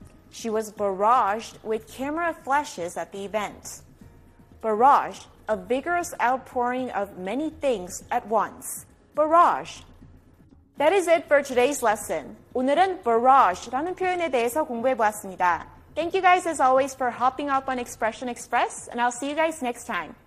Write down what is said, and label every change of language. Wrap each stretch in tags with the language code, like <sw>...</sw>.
<en>She was barraged with camera flashes at the event. Barrage, a vigorous outpouring of many things at once. Barrage. That is it for today's lesson.</en> <ko>오늘은 barrage라는 표현에 대해서 공부해 보았습니다.</ko> <en>Thank you guys as always for hopping up on Expression Express, and I'll see you guys next time.</en>